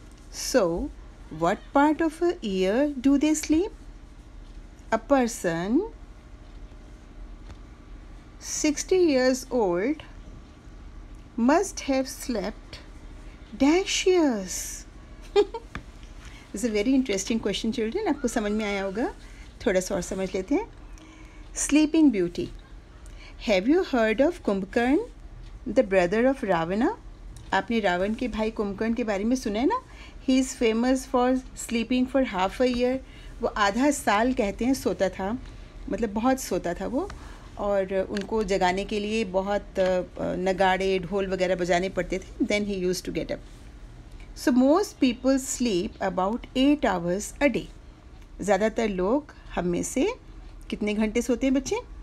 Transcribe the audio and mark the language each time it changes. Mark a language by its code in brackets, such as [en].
[en] So, what part of a year do they sleep? A person 60 years old must have slept dash years. It's a very interesting question, children. [hi] आपको समझ में आया होगा, थोड़ा सा और समझ लेते हैं. [en] Sleeping Beauty. Have you heard of Kumbhakarn, the brother of Ravana? [hi] आपने रावण के भाई कुंभकर्ण के बारे में सुना है ना. [en] He is famous for sleeping for half a year. [hi] वो आधा साल कहते हैं सोता था, मतलब बहुत सोता था वो, और उनको जगाने के लिए बहुत नगाड़े ढोल वगैरह बजाने पड़ते थे. [en] Then he use to get up. So most people sleep about 8 hours a day. [hi] ज़्यादातर लोग हम में से कितने घंटे सोते हैं बच्चे?